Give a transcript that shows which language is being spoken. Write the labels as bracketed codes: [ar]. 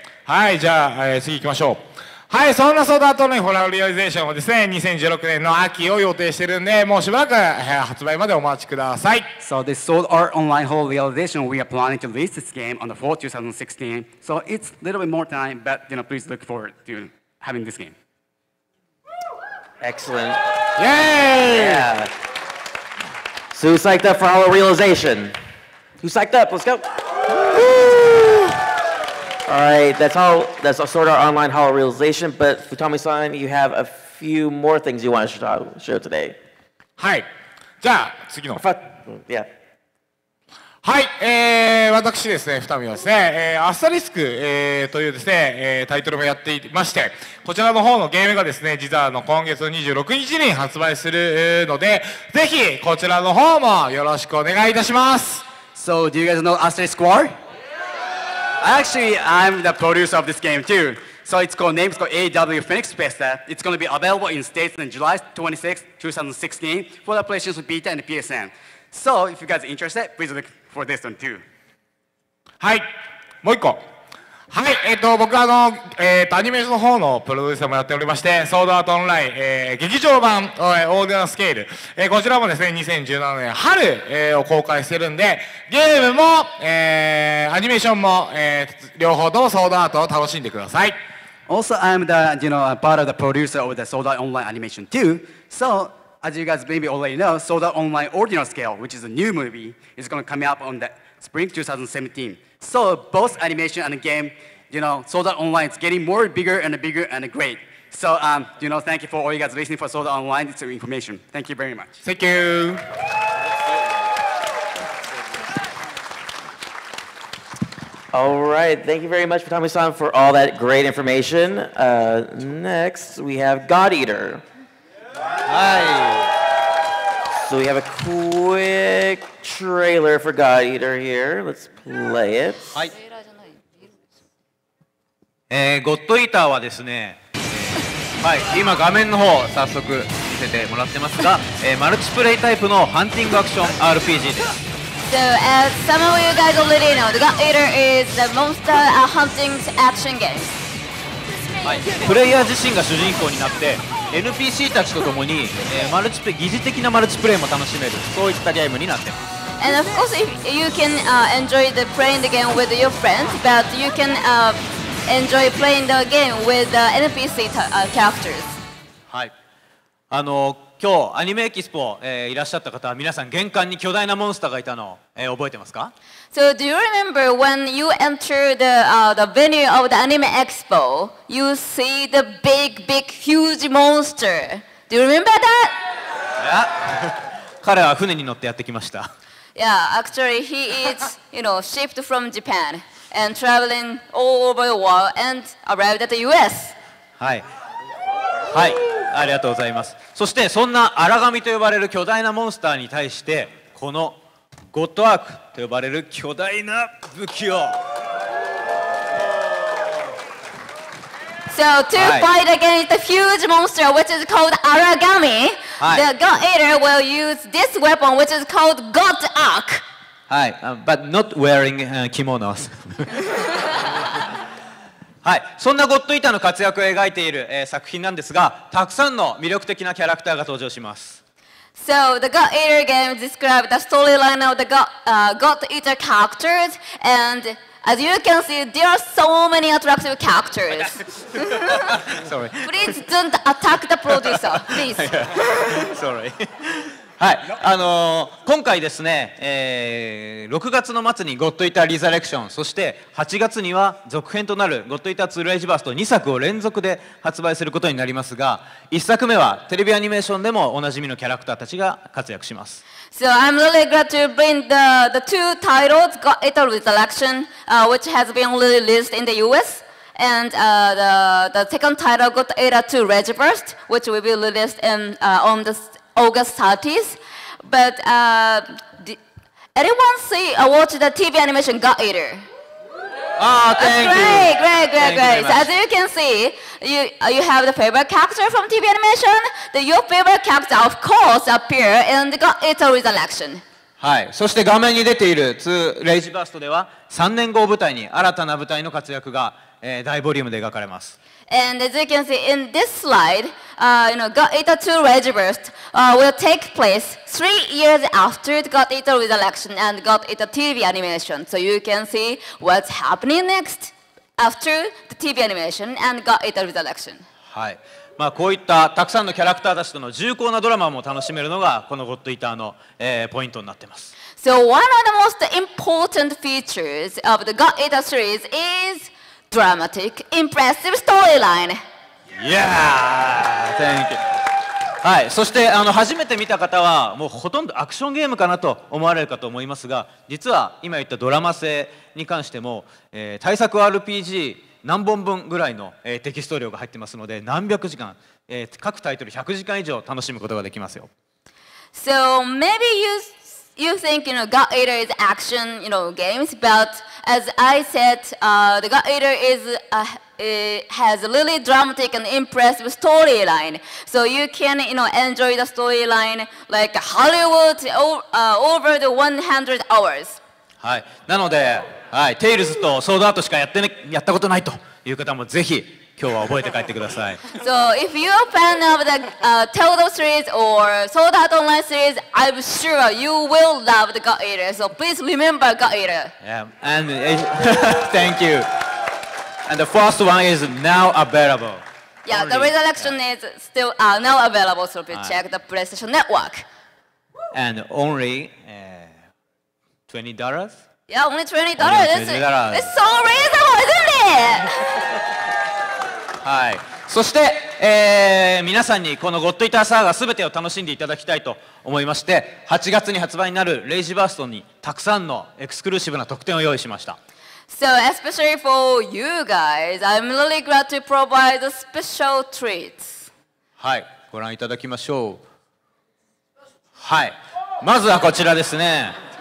[ja] はい、じゃあ、次行きましょう。はい、そんなソードアートオンラインホラーリアリゼーションをですね、2016年の秋を予定してるんで、もうしばらく発売までお待ちください。 [en] So this Sword Art Online Horror Realization, we are planning to release this game on the fall 2016. So it's a little bit more time, but you know, please look forward to having this game. Excellent. Yay! Yeah. So who's psyched up for Horror Realization? Who's psyched up? Let's go! Alright, that's all sort of our online Hollow Realization, but Futami-san, you have a few more things you want to show today. [ja] はい、じゃあ次の。 [en] Yeah. [ja] はい、私ですね、Futami はですね、アスタリスク、というですね、タイトルもやっていまして、こちらの方のゲームがですね、実はあの今月26日に発売するので、ぜひこちらの方もよろしくお願いいたします。 [en] So, do you guys know Asterisk War? Actually, I'm the producer of this game too. So it's called, name's called AW Phoenix Fiesta. It's going to be available in States on July 26, 2016 for the PlayStation Vita and PSN. So if you guys are interested, please look for this one too. [ja] はい、もう一個。はい、僕はアニメーションの方のプロデューサーもやっておりまして、ソードアートオンライン、劇場版、オーディナースケール、こちらもですね、2017年春、を公開してるんで、ゲームも、アニメーションも、両方ともソードアートを楽しんでください。 [en] Also, I'm the, you know, part of the producer of the Sword Art Online Animation too. So, as you guys maybe already know, Sword Art Online Ordinal Scale, which is a new movie, is going to come up on the spring 2017. So both animation and game, you know, Sword Art Online is getting more bigger and bigger and great. So, you know, thank you for all you guys listening for Sword Art Online. It's your information. Thank you very much. Thank you. All right. Thank you very much, Futami-san, for all that great information. Next, we have God Eater. Hi. So we have a quick trailer for God Eater here. Let's play it. Hi. [ja] God Eater はですね、はい、今画面の方早速見せてもらってますが、マルチプレイタイプのハンティングアクション RPG です。 [en] So as some of you guys already know, the God Eater is the monster hunting action game. [ja] はい、プレイヤー自身が主人公になって、NPC たちとともに、マルチプレイ、擬似的なマルチプレイも楽しめる、そういったゲームになってます。 [en] And of course, if you can enjoy the playing the game with your friends, but you can enjoy playing the game with the NPC characters. [ja] はい、今日アニメエキスポ、いらっしゃった方は皆さん玄関に巨大なモンスターがいたのを、覚えてますか？ [en] So do you remember when you enter the,the venue of the anime expo, you see the big, big, huge monster. Do you remember that? Yeah. [ja] 彼は船に乗ってやってきました。 [en] Yeah, actually he is, you know, shipped from Japan and traveling all over the world and arrived at the US. [ja] はい。はい、ありがとうございます。そしてそんな荒神と呼ばれる巨大なモンスターに対してこのゴッドアークと呼ばれる巨大な武器を [en] So to fight against the huge monster which is called Aragami、はい、the God Eater will use this weapon which is called God Ark [ja] はい、 [en] but not wearing kimonos [ja] はい、そんなゴッドイーターの活躍を描いている、作品なんですが、たくさんの魅力的なキャラクターが登場します。 [en] So the God Eater game describes the storyline of the God Eater characters and as you can see there are so many attractive characters Sorry. Please don't attack the producer, please Sorry. はい、今回ですね、6月の末にゴッドイーターリザレクション、そして8月には続編となるゴッドイーターツールエイジバースと2作を連続で発売することになりますが、1作目はテレビアニメーションでもおなじみのキャラクターたちが活躍します。 So I'm really glad to bring the two titles, God Eater Resurrection, which has been released in the US and the second title, God Eater 2 Regiverse, which will be released in, on the August 30th, but anyone see or watch the TV animation God Eater? Ah, thank you. Great. So as you can see, you have the favorite character from TV animation. The your favorite character, of course, appear in the God Eater Resurrection. [ja] はい。そして画面に出ている2 Rage Burst では、3年後を舞台に新たな舞台の活躍が、大ボリュームで描かれます。 [en] And as you can see in this slide, you know, God Eater 2 Regiverse will take place 3 years after the God Eater Resurrection and God Eater TV animation. So you can see what's happening next after the TV animation and God Eater Resurrection. [ja] はい。まあこういったたくさんのキャラクターたちとの重厚なドラマも楽しめるのがこの God Eater の、ポイントになっています。 [en] So one of the most important features of the God Eater series is dramatic, impressive storyline. Yeah, thank you. [ja] はい、そして初めて見た方はもうほとんどアクションゲームかなと思われるかと思いますが、実は今言ったドラマ性に関しても、対策 RPG 何本分ぐらいの、テキスト量が入ってますので何百時間、各タイトル100時間以上楽しむことができますよ。 [en] So maybe you think, you know, God Eater is action, you know, games, but as I said, the God Eater is, has a really dramatic and impressive storyline. So you can, you know, enjoy the storyline like Hollywood over the 100 hours. [ja] はい。なので、はい、テイルズとソードアートしかやって、ね、やったことないという方もぜひ今日は覚えて帰ってください。 [en] So if you're a fan of the Telltale series or Sword Art Online series, I'm sure you will love the God Eater. So please remember God Eater. Yeah, and thank you. And the first one is now available. Yeah, the Resurrection is still now available. So please check the PlayStation Network. And only $20? Yeah, only $20. It's so reasonable, isn't it? [ja] はい、そして、皆さんにこのゴッドイーターサーガー全てを楽しんでいただきたいと思いまして、8月に発売になるレイジバーストにたくさんのエクスクルーシブな特典を用意しました。 [en] So especially for you guys, I'm really glad to provide a special treat. [ja] はい、ご覧いただきましょう。はい、まずはこちらですね。